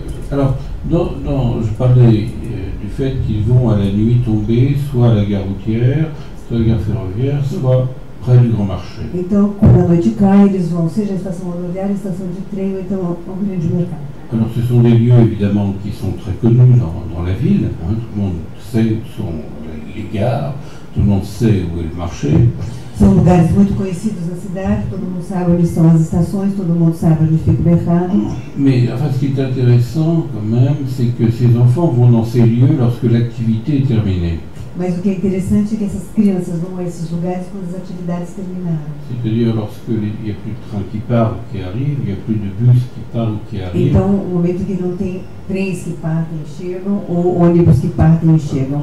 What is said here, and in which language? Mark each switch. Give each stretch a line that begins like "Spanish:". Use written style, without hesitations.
French: Alors, je parlais du fait qu'ils vont à la nuit tomber soit à la gare routière, soit à la gare ferroviaire, soit près du Grand Marché.
Portuguese: Então, quando a noite cai, eles vão, seja à estação rodoviária, estação de trem, ou então ao Grande Mercado.
French: Alors ce sont des lieux évidemment qui sont très connus dans la ville, hein. Tout le monde sait où sont les gares, tout le monde sait où est le marché.
Portuguese: São lugares muito conhecidos na cidade, todo mundo sabe onde estão as estações, todo mundo sabe onde fica o mercado.
French: Mais enfin, ce qui est intéressant quand même, c'est que ces enfants vont dans ces lieux lorsque l'activité est terminée.
Portuguese: Mas o que é interessante é que essas crianças vão a esses lugares quando as atividades terminaram.
French: C'est-à-dire lorsque il n'y a plus de train qui part ou qui arrive, il n'y a plus de bus qui part ou qui arrive.
Portuguese: Então, no momento que não tem trens que partem e chegam, ou ônibus que partem e chegam.